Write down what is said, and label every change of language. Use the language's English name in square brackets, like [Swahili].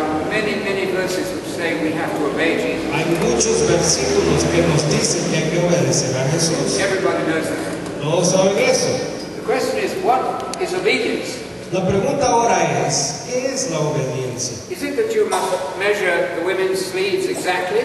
[English] Many verses which say we have to obey Jesus. [Spanish] Hay muchos versículos que nos dicen que hay que obedecer a Jesús. [English] Everybody knows that. [Spanish] Todos saben eso. [English] The question is, what is obedience? [Spanish] La pregunta ahora es, ¿qué es la obediencia? [English] Is it that you must measure the women's sleeves exactly?